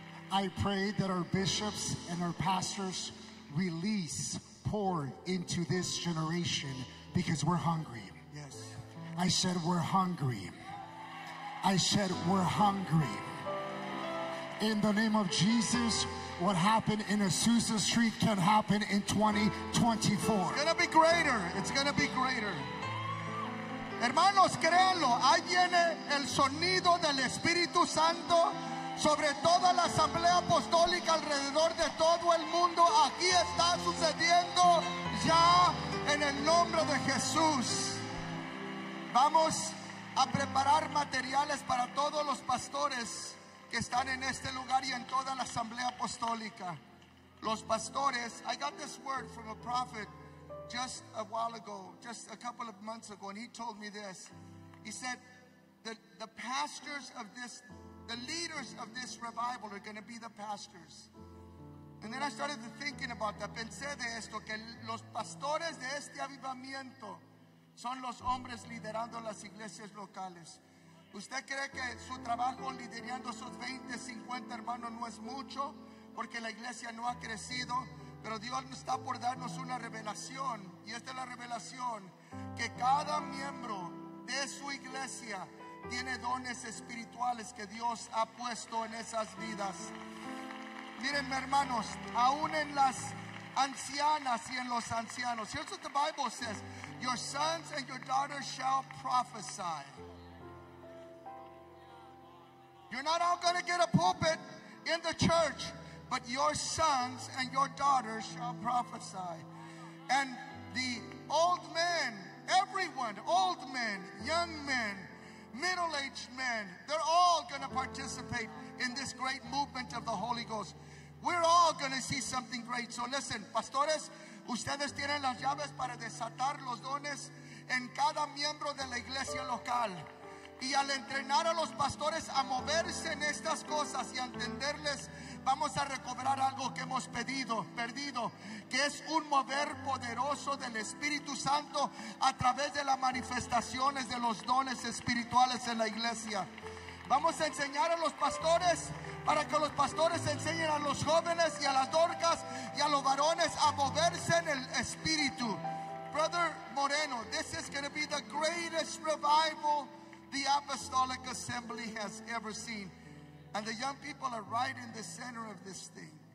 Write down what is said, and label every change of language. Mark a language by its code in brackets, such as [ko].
[en] I pray that our bishops and our pastors release, pour into this generation because we're hungry. Yes. I said we're hungry. I said we're hungry. In the name of Jesus, what happened in Azusa Street can happen in 2024. It's going to be greater. It's going to be greater. [es] Hermanos, créanlo. Ahí viene el sonido del Espíritu Santo sobre toda la asamblea apostólica alrededor de todo el mundo. Aquí está sucediendo ya en el nombre de Jesús. Vamos a preparar materiales para todos los pastores que están en este lugar y en toda la asamblea apostólica. Los pastores, [en] I got this word from a prophet just a while ago, just a couple of months ago, and he told me this. He said that the pastors of this, the leaders of this revival are going to be the pastors. And then I started thinking about that. [es] Pensé de esto, que los pastores de este avivamiento son los hombres liderando las iglesias locales. ¿Usted cree que su trabajo liderando esos 20, 50 hermanos no es mucho? Porque la iglesia no ha crecido. Pero Dios está por darnos una revelación. Y esta es la revelación. Que cada miembro de su iglesia tiene dones espirituales que Dios ha puesto en esas vidas. Miren, hermanos, aún en las ancianas y en los ancianos. [en] Here's what the Bible says. Your sons and your daughters shall prophesy. You're not all going to get a pulpit in the church, but your sons and your daughters shall prophesy. And the old men, everyone, old men, young men, middle-aged men, they're all going to participate in this great movement of the Holy Ghost. We're all going to see something great. So listen, [es] pastores, ustedes tienen las llaves para desatar los dones en cada miembro de la iglesia local. Y al entrenar a los pastores a moverse en estas cosas y a entenderles, vamos a recobrar algo que hemos perdido, que es un mover poderoso del Espíritu Santo a través de las manifestaciones de los dones espirituales en la iglesia. Vamos a enseñar a los pastores para que los pastores enseñen a los jóvenes y a las dorcas y a los varones a moverse en el Espíritu. [en] Brother Moreno, this is going to be the greatest revival the Apostolic Assembly has ever seen. And the young people are right in the center of this thing.